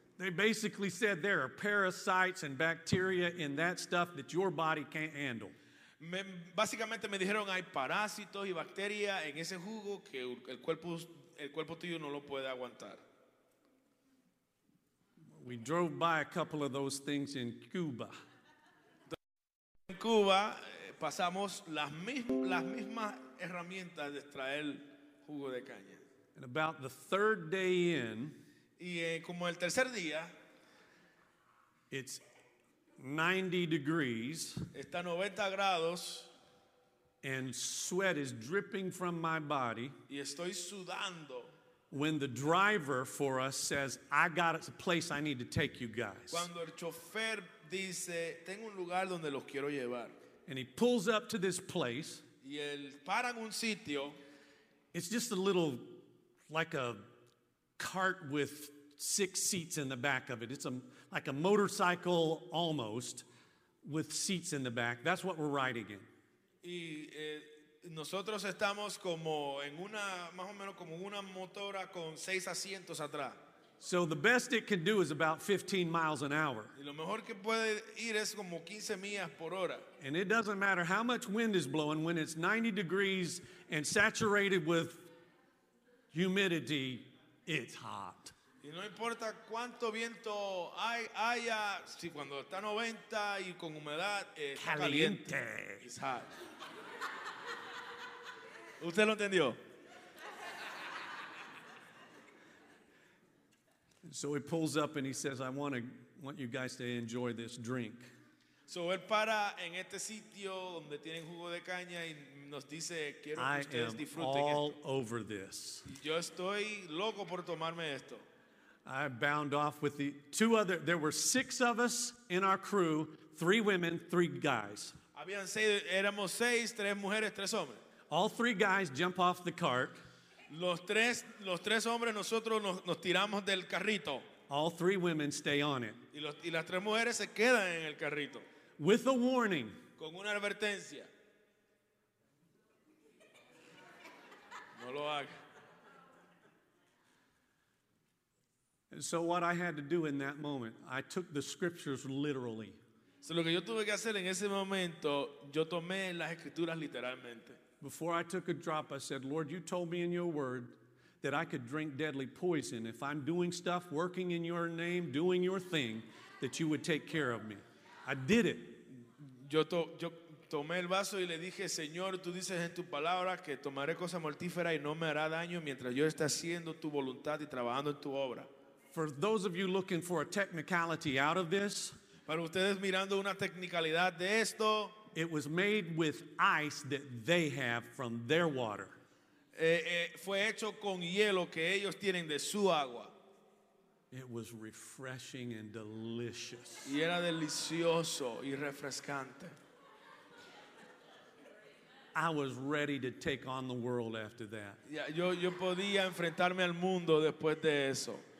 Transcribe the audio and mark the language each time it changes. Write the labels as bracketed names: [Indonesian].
[English] They basically said there are parasites and bacteria in that stuff that your body can't handle. [Spanish] Básicamente me dijeron hay parásitos y bacterias en ese jugo que el cuerpo tuyo no lo puede aguantar. [English] We drove by a couple of those things in Cuba. [Spanish] En Cuba pasamos las mismas herramientas de extraer jugo de caña. [English] And about the third day in, [Spanish] y como el tercer día, [English] it's 90 degrees. [Spanish] Está 90 grados. [English] And sweat is dripping from my body. [Spanish] Y estoy sudando. [English] When the driver for us says, I got a place I need to take you guys. [Spanish] Cuando el chofer dice, tengo un lugar donde los quiero llevar. [English] And he pulls up to this place. [Spanish] Y él para en un sitio. [English] It's just a little, like a cart with six seats in the back of it. It's a like a motorcycle almost with seats in the back. That's what we're riding in. [Spanish] Y nosotros estamos como en una más o menos como una motora con seis asientos atrás. [English] So the best it can do is about 15 miles an hour. [Spanish] Y lo mejor que puede ir es como 15 millas por hora. [English] And it doesn't matter how much wind is blowing when it's 90 degrees and saturated with humidity, it's hot. [Spanish] Y no importa cuánto viento haya, si cuando está 90 y con humedad, está caliente. [English] It's hot. [Spanish] ¿Usted lo entendió? [English] So he pulls up and he says, I want you guys to enjoy this drink. [Spanish] So él para en este sitio donde tienen jugo de caña y nos dice, [English] I am all over this. [Spanish] Yo estoy loco por tomarme esto. [English] I bound off with the two other, there were six of us in our crew, three women, three guys. [Spanish] Habían seis, éramos seis, tres mujeres, tres hombres. [English] All three guys jump off the cart. [Spanish] Los tres hombres, nosotros nos tiramos del carrito. [English] All three women stay on it. [Spanish] Y las tres mujeres se quedan en el carrito. [English] With a warning. [Spanish] Con una advertencia. No lo haga. [English] And so what I had to do in that moment, I took the scriptures literally. [Spanish] So lo que yo tuve que hacer en ese momento, yo tomé las escrituras literalmente. [English] Before I took a drop, I said, Lord, you told me in your word that I could drink deadly poison. If I'm doing stuff, working in your name, doing your thing, that you would take care of me. I did it. [Spanish] Yo tomé el vaso y le dije, Señor, tú dices en tu palabra que tomaré cosa mortífera y no me hará daño mientras yo esté haciendo tu voluntad y trabajando en tu obra. [English] For those of you looking for a technicality out of this, [Spanish] para ustedes mirando una tecnicalidad de esto, [English] it was made with ice that they have from their water. [Spanish] Fue hecho con hielo que ellos tienen de su agua. [English] It was refreshing and delicious. [Spanish] Y era delicioso y refrescante. [English] I was ready to take on the world after that. [Spanish] Yeah, yo podía enfrentarme al mundo después de eso.